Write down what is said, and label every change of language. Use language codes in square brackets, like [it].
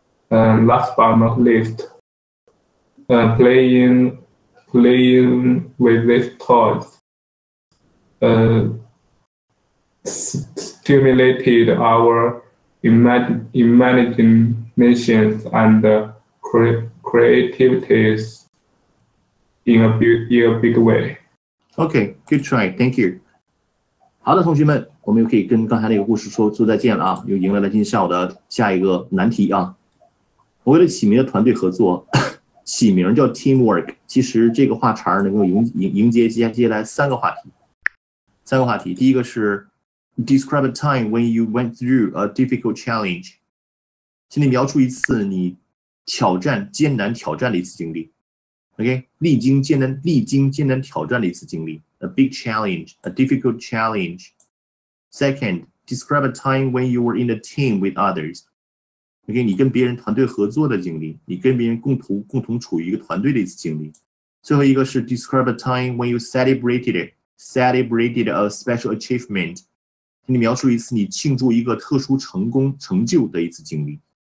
[en] And last but not least, playing with these toys stimulated our imaginations and creativities in a big way. Okay, good try. Thank you. [zh] 好的，同学们，我们又可以跟刚才那个故事说再见了啊，又迎来了今天下午的下一个难题啊。我为了起名的团队合作，起名叫 teamwork。其实这个话茬能够迎接接下来三个话题。第一个是 describe a time when you went through a difficult challenge，请你描述一次你艰难挑战的一次经历。 OK， 历经艰难挑战的一次经历。 [en] A big challenge, a difficult challenge. Second, describe a time when you were in a team with others. [zh] OK, 你跟别人团队合作的经历，你跟别人共同处于一个团队的一次经历。 [en] 最后一个是 describe a time when you celebrated a special achievement. [zh] 你描述一次你庆祝一个特殊成就的一次经历。